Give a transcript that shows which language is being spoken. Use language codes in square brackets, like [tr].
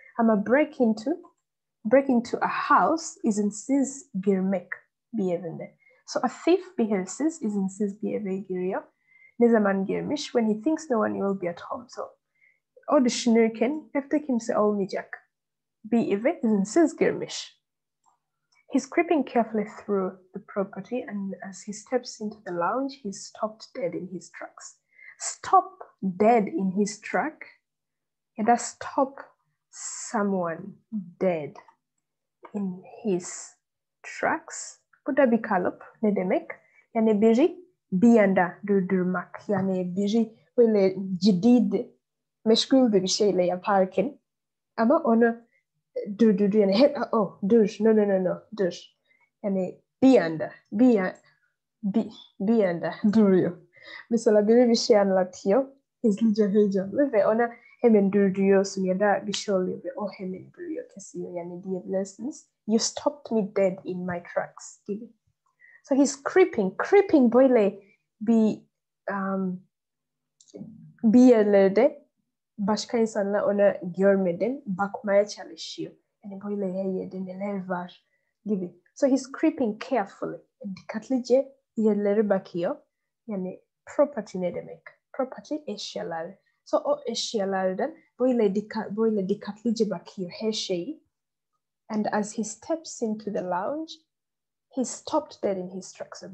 [tr] Ama [en] break into a house [tr] izinsiz girmek bir evinde. [en] So a thief [tr] bir hırsız izinsiz bir eve giriyor. Ne zaman girmiş? [en] When he thinks no one will be at home. So [tr] o düşünürken evde kimse olmayacak. Bir eve izinsiz girmiş. [en] He's creeping carefully through the property and as he steps into the lounge, he's stopped dead in his tracks. Stop dead in his track. Ya da stop someone dead in his tracks. [tr] Bu da bir kalıp. Ne demek? Yani biri bir anda durdurmak. Yani biri böyle ciddi, meşgul bir şeyle yaparken. Ama onu durdurdu. Yani hep, oh, dur. [en] No, no, no, no. [tr] Dur. Yani bir anda. Bir anda duruyor. Mesela biri bir şey anlatıyor. Hızlıca heyecanlı ve ona hemen durduruyorsun ya da bir şey oluyor ve o hemen duruyor, kesiyor. Yani diyebilirsiniz. [en] You stopped me dead in my tracks gibi. So he's creeping. [tr] Creeping böyle bir yerlerde başka insanlar ona görmeden bakmaya çalışıyor. Yani böyle her yerde neler var gibi. [en] So he's creeping carefully. [tr] Dikkatlice yerlere bakıyor. Yani property ne demek? Property eşyalar. So o eşyalardan böyle dikkatlice bakıyor her şeyi. [en] And as he steps into the lounge, he stopped dead in his tracks.